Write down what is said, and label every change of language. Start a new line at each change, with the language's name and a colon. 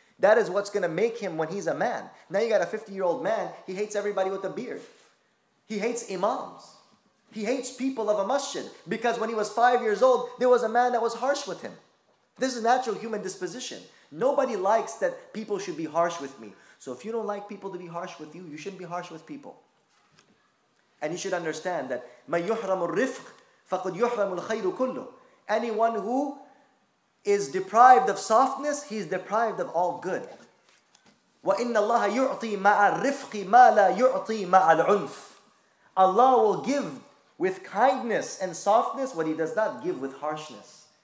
English: That is what's going to make him when he's a man. Now you got a 50-year-old man, he hates everybody with a beard. He hates imams. He hates people of a masjid. Because when he was 5 years old, there was a man that was harsh with him. This is natural human disposition. Nobody likes that people should be harsh with me. So if you don't like people to be harsh with you, you shouldn't be harsh with people. And you should understand that
Arabic: مَنْ يُحْرَمُ الرِّفْقِ فَقُدْ يُحْرَمُ الْخَيْرُ كُلُّ.
English: Anyone who is deprived of softness, he's deprived of all good.
Arabic: وَإِنَّ اللَّهَ يُعْطِي مَعَ الرِّفْقِ مَا لَا يُعْطِي مَعَ الْعُنْفِ.
English: Allah will give with kindness and softness what He does not give with harshness.